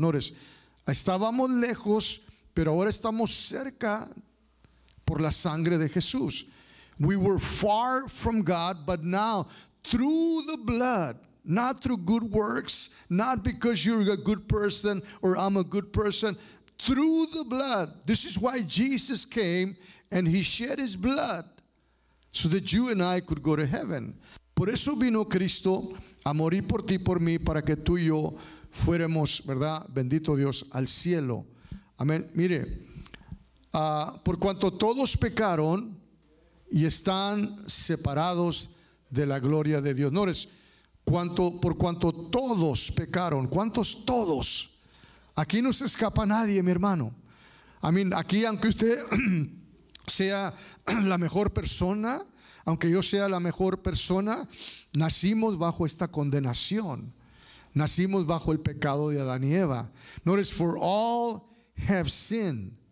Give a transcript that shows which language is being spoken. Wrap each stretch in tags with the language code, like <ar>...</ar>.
<en>Notice,</en> <es>estábamos lejos, pero ahora estamos cerca por la sangre de Jesús.</es> <en>We were far from God, but now through the blood. Not through good works, not because you're a good person or I'm a good person. Through the blood. This is why Jesus came and he shed his blood so that you and I could go to heaven.</en> <es>Por eso vino Cristo a morir por ti, por mí, para que tú y yo fuéramos, ¿verdad? Bendito Dios, al cielo. Amén. Mire, por cuanto todos pecaron y están separados de la gloria de Dios.</es> <en>Notice,</en> <es>por cuanto todos pecaron, ¿cuántos todos? Aquí no se escapa nadie, mi hermano.</es> <en>I mean,</en> <es>aquí, aunque usted sea la mejor persona, aunque yo sea la mejor persona, nacimos bajo esta condenación. Nacimos bajo el pecado de Adán y Eva.</es> <en>Notice, for all have sinned.</en>